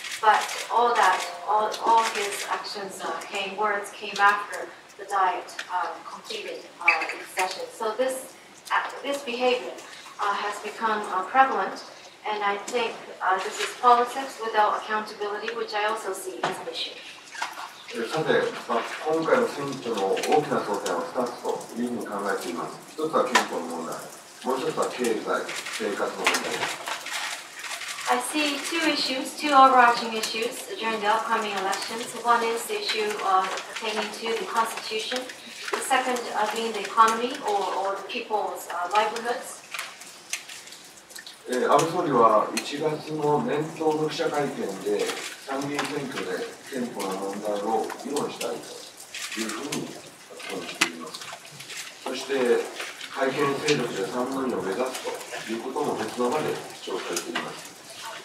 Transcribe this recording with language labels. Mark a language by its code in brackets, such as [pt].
[en] But all that, all his actions came, words came after the diet completed its session. So this, this behavior has become prevalent, and I think this is politics without accountability, which I also see as an issue. [ja] さて、まあ、今回の選挙の大きな争点は2つというふうに考えています。 1つは憲法の問題、もう1つは経済、生活の問題です。 [en] I see two issues, two overarching issues during the upcoming elections. One is the issue pertaining to the Constitution. The second being the economy or the people's livelihoods. [ja] 安倍総理は1月の年頭の記者会見で参議院選挙で憲法の問題を議論したいというふうに発言しています。そして改憲勢力で3分の2を目指すということも別の場で主張されています。